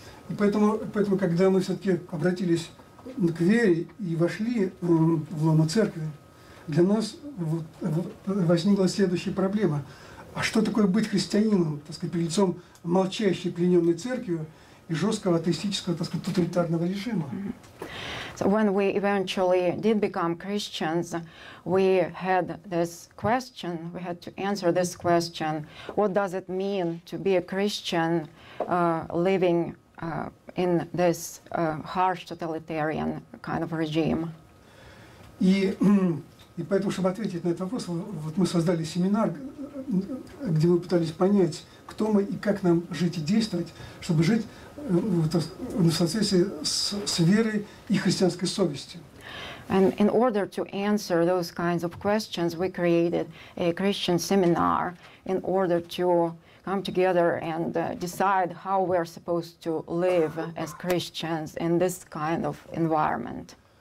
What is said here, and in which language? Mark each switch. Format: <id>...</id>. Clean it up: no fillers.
<ru>И поэтому, когда мы все-таки обратились к вере и вошли в лоно церкви, для нас возникла следующая проблема. А что такое быть христианином, так сказать, перед лицом молчащей плененной церкви и жесткого атеистического, так сказать, тоталитарного режима?</ru> <en>So when we eventually did become Christians, we had this question, we had to answer this question. What does it mean to be a Christian living in this harsh totalitarian kind of regime?</en> <ru>И поэтому, чтобы ответить на этот вопрос, вот мы создали семинар, где мы пытались понять, кто мы и как нам жить и действовать, чтобы жить в соответствии с верой и христианской совестью.</ru> <en>And in order to answer those kinds of questions, we created a Christian seminar in order to come together and decide how we're supposed to live as Christians in this kind of environment.</en>